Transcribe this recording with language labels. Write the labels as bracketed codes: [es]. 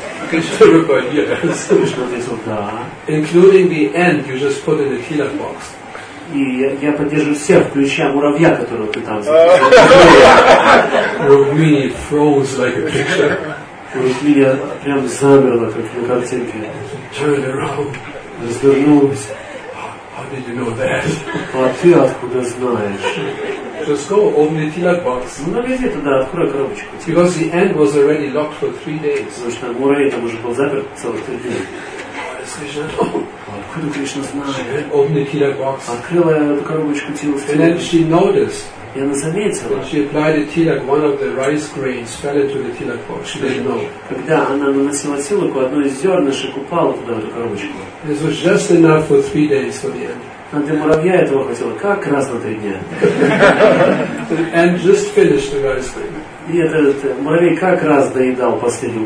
[en] Кришна replied, yes. [ru] Ответил, да. [en] Including the ant you just put in the tilak box. [ru] И я поддерживаю всех, включая муравья, которого ты там запустил. [en] Rukmini froze like a picture. [ru] Rukmini прям замерла, как на картинке. [en] Turned around. [ru] Развернулась. [en] How did you know that? [ru] А ты откуда знаешь? [en] Just go open the tilak box. [ru] Ну, навези туда, открой коробочку. [en] Because the ant was already locked for 3 days. [ru] Потому что муравей там уже был заперт целых 3 дня. [en] What is Krishna? [ru] Откуда Кришна знает? [en] Open the tilak box. [ru] Открыла я эту коробочку тилак. [en] And then she noticed. [ru] И она заметила. [en] She applied the tilak, one of the rice grains fell into the tilak box. She didn't know. [ru] Когда она наносила тилаку, одно из зернышек упало туда в эту коробочку. [en] This was just enough for 3 days for the ant. [ru] А для муравья этого хватило как раз на три дня. [en] And just finished the rice thing. [ru] И этот муравей как раз доедал последнюю